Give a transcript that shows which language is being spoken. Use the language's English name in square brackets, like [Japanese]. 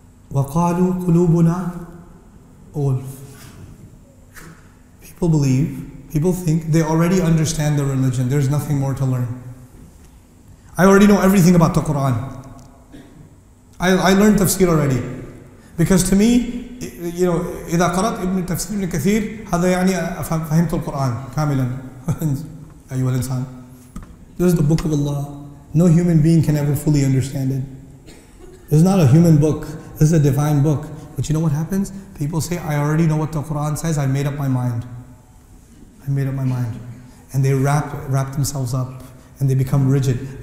[Arabic] وَقَالُوا قُلُوبُنَا أُولْفٌ. [English] People believe, people think, they already understand the religion. There's nothing more to learn. I already know everything about the Quran. I learned tafsir already. Because to me, you know, [Arabic] إذا قرأت ابن تفسير ابن كثير هذا يعني فهمت القرآن كاملا أيها الإنسان. [English] This is the book of Allah. No human being can ever fully understand it. This is not a human book. This is a divine book. But you know what happens? People say, I already know what the Quran says. I made up my mind. I made up my mind. And they wrap themselves up and they become rigid.